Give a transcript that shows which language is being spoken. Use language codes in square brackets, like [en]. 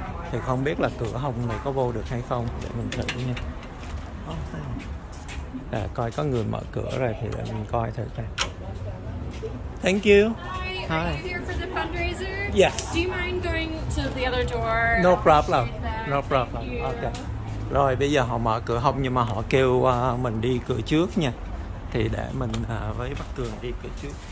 [vi] Thì không biết là cửa hồng này có vô được hay không, để mình thử nha. Để coi có người mở cửa rồi thì để mình coi thử coi. [en] Thank you. Hi. Are you here for the fundraiser? Yes. Do you mind going to the other door? No problem. No problem. Okay. [vi] Rồi bây giờ họ mở cửa hông nhưng mà họ kêu mình đi cửa trước nha. Thì để mình với Bắc Cường đi cửa trước.